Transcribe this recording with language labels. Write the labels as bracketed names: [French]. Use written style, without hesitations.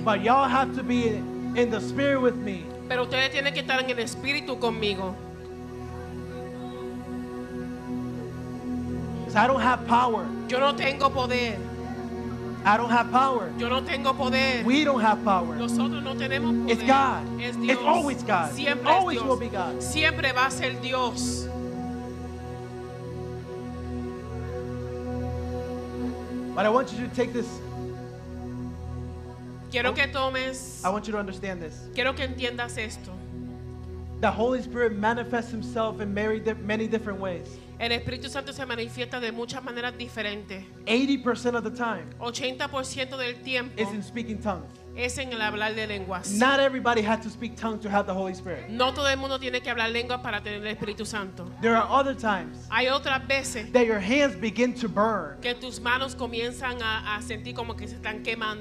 [English] But y'all have to be in the spirit with me. [Spanish] Pero ustedes tienen que estar en el espíritu conmigo. [English] Because I don't have power. [Spanish] Yo no tengo poder. [English] I don't have power. [Spanish] Yo no tengo poder. [English] We don't have power. [Spanish] Nosotros no tenemos poder. [English] It's God. [Spanish] Es Dios. [English] It's always God. [Spanish] Siempre [English] always [Spanish] es Dios. [English] Will be God. [Spanish] Siempre va a ser Dios. [English] But I want you to take this. [Spanish] Quiero que tomes. [English] I want you to understand this. [Spanish] Quiero que entiendas esto. [English] The Holy Spirit manifests himself in many different ways. [Spanish] El Espíritu Santo se manifiesta de muchas maneras diferentes. [English] 80% of the time. [Spanish] 80% del tiempo. [English] Is in speaking tongues. [Spanish] es en el hablar de lenguas. [English] Not everybody has to speak tongues to have the Holy Spirit. [Spanish] No todo el mundo tiene que hablar lenguas para tener el Espíritu Santo. [English] There are other times. [Spanish] Hay otras veces. [English] That your hands begin to burn. [Spanish] Que tus manos comienzan a sentir como que se están quemando.